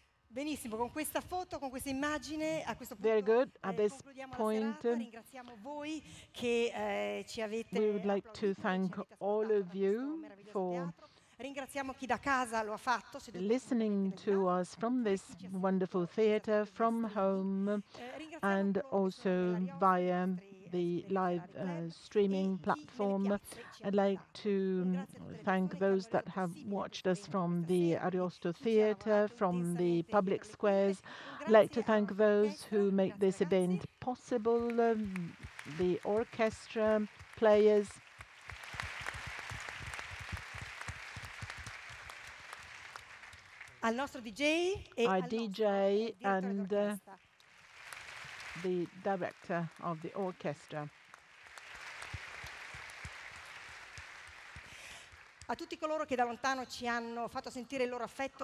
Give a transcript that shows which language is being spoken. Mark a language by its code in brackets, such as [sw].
[it] Benissimo, con questa foto, con questa immagine, a questo punto [en] very good. At this [it] concludiamo [en] point, [it] la serata, ringraziamo voi che ci avete... [en] We would like to thank all of you for... [it] Ringraziamo chi da casa lo ha fatto. [en] Listening to us from this wonderful theatre, from home, and also via the live streaming platform. I'd like to thank those that have watched us from the Ariosto Theatre, from the public squares. I'd like to thank those who make this event possible, the orchestra players. [it] Al nostro DJ e [en] our DJ and the director of the orchestra. [it] A tutti coloro che da lontano ci hanno fatto sentire il loro affetto.